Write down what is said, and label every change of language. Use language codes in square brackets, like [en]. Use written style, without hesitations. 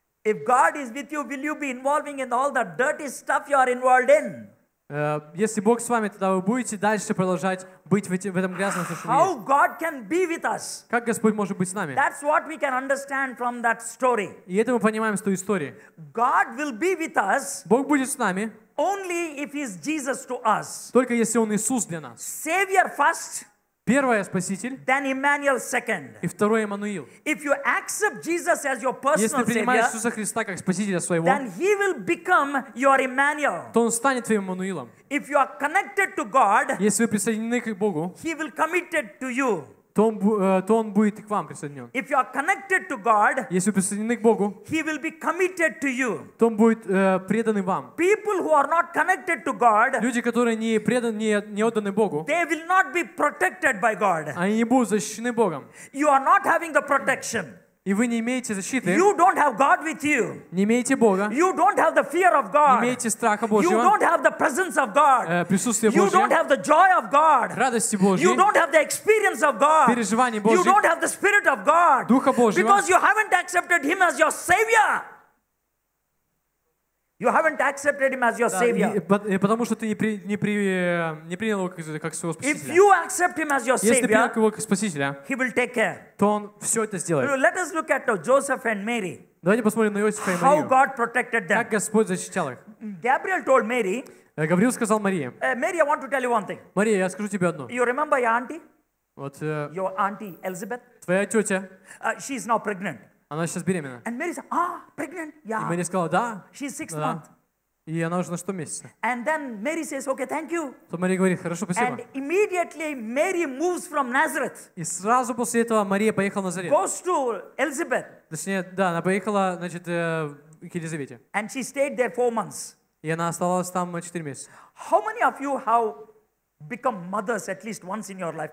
[en] If God is with you, will you be involving in all the dirty stuff you are involved in? [ru] Если Бог с вами, тогда вы будете дальше продолжать быть в этом грязном состоянии. [en] How God can be with us? [ru] Как Господь может быть с нами? [en] That's what we can understand from that story. [ru] И это мы понимаем с той истории. [en] God will be with us. [ru] Бог будет с нами. [en] Only if He is Jesus to us. [ru] Только если Он Иисус для нас. [en] Savior first. [ru] Первое спаситель. [en] Then Emmanuel second. [ru] И второе Эммануил. [en] If you accept Jesus as your personal Savior. [ru] Если принимаешь Иисуса Христа как спасителя своего. [en] Then He will become your Emmanuel. [ru] То Он станет твоим Эммануилом. [en] If you are connected to God. [ru] Если вы присоединены к Богу. [en] He will committed to you. [ru] То он будет к вам присоединен. [en] If you are connected to God, [ru] если вы присоединены к Богу, [en] he will be committed to you. [ru] То он будет предан вам. [en] People who are not connected to God, [ru] люди, которые не преданы, не отданы Богу, [en] they will not be protected by God. [ru] Они не будут защищены Богом. [en] You are not having the protection. [ru] И вы не имеете защиты. [en] You don't have God with you. [ru] Не имеете Бога. [en] You don't have the fear of God. [ru] Не имеете страха Божьего. [en] You don't have the presence of God. [ru] Присутствие Божье. [en] You don't have the joy of God. [ru] Радости Божьей. [en] You don't have the experience of God. [ru] Переживание Божье. [en] You don't have the spirit of God. [ru] Духа Божьего. [en] Because you haven't accepted Him as your Savior. You haven't accepted Him as your Savior. [ru] Потому что ты не принял его как своего спасителя. [en] If you accept Him as your Savior, [ru] если принял его как спасителя, [en] He will take care. [ru] То он все это сделает. [en] Let us look at Joseph and Mary. [ru] Давайте посмотрим на Иосифа и Марию. [en] How God protected them. [ru] Как Господь защищал их. [en] Gabriel told Mary. [ru] Гавриил сказал Марии. [en] Mary, I want to tell you one thing. [ru] Мария, я скажу тебе одно. [en] You remember your auntie? [ru] Вот. [en] Your auntie Elizabeth. [ru] Твоя тетя. [en] She is now pregnant. [ru] Она сейчас беременна. [en] And Mary said, ah, pregnant, yeah. [ru] И Мэри сказала, да. [en] She's six months. [ru] И она уже на 6 месяца. [en] And then Mary says, okay, thank you. [ru] То Мария говорит, хорошо, спасибо. [en] And immediately Mary moves from Nazareth. [ru] И сразу после этого Мария поехала в Назарет. [en] Goes to Elizabeth. [ru] Точнее, да, она поехала, значит, к Елизавете. [en] And she stayed there 4 months. [ru] И она оставалась там 4 месяца. [en] How many of you have become mothers at least once in your life?